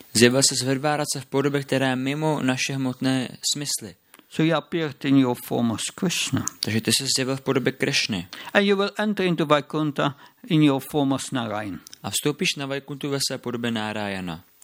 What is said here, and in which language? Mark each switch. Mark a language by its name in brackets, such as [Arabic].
[Czech] Zjevil ses ve Dvarce v podobě, která je mimo naše hmotné smysly. [English] So you appeared in your form as Krishna. [Czech] Takže ty se zjevil v podobě Krishny. [English] And you will enter into Vaikuntha in your form as Narayan. [Czech] A vstoupíš na Vaikuntu ve své podobě Narayana.